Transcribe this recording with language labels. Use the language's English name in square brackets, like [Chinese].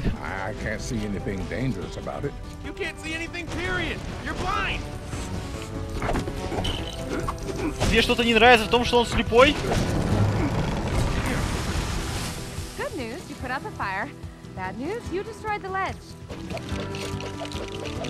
[English] I can't see anything dangerous about it. You can't see anything, period. You're blind. [Russian] Тебе что-то не нравится в том, что он слепой? [English] Good news, you put out the fire. Bad news, you destroyed the ledge.